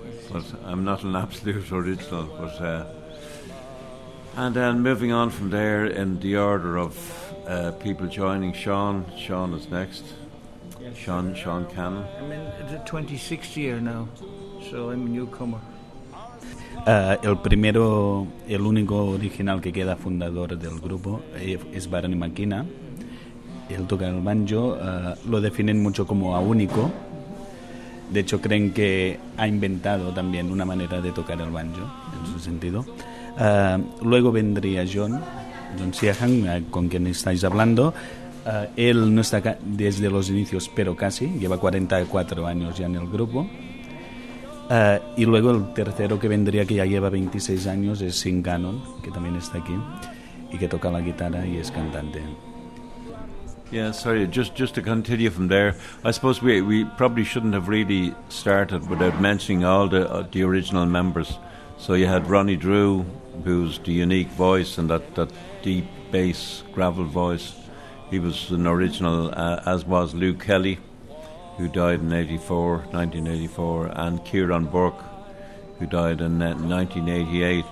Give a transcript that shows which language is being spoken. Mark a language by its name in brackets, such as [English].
[English] But I'm not an absolute original, but... And then moving on from there in the order of people joining, Sean is next. Yes, Sean Cannon. I'm in the 26th year now, so I'm a newcomer. [Spanish] El primero, el único original que queda fundador del grupo es Barney McKenna. Él toca el banjo, lo definen mucho como a único. De hecho, creen que ha inventado también una manera de tocar el banjo, en su sentido. Luego vendría John Siahan, con quien estáis hablando. Él no está acá desde los inicios, pero casi. Lleva 44 años ya en el grupo. Y luego el tercero que vendría, que ya lleva 26 años, es Sin Gannon, que también está aquí y que toca la guitarra y es cantante. [English] Yeah, sorry, just to continue from there, I suppose we probably shouldn't have really started without mentioning all the original members. So you had Ronnie Drew, who's the unique voice and that deep bass gravel voice. He was an original, as was Lou Kelly, who died in 1984, and Ciarán Burke, who died in 1988.